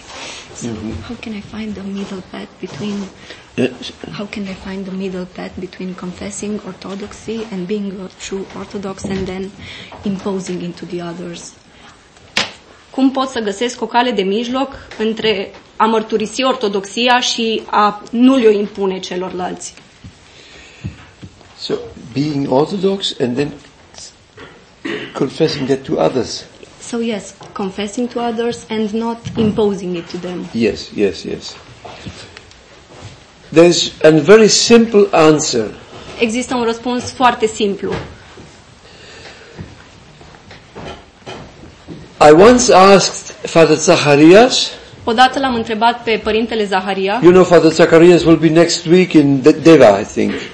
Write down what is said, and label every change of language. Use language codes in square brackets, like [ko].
[en] How can I find the middle path between confessing orthodoxy and being a true orthodox and then imposing into the others? [ro] Cum pot să găsesc o cale de mijloc între a mărturisi ortodoxia și a nu le-o impune celorlalți? [en] So, being orthodox and then confessing that to others. So yes, confessing to others and not imposing it to them. Yes, yes, yes. There's a very simple answer. [ro] Există un răspuns foarte simplu. [en] I once asked Father Zacharias. [ro] Odată l-am întrebat pe Părintele Zaharia. [en] You know, Father Zacharias will be next week in Deva, I think.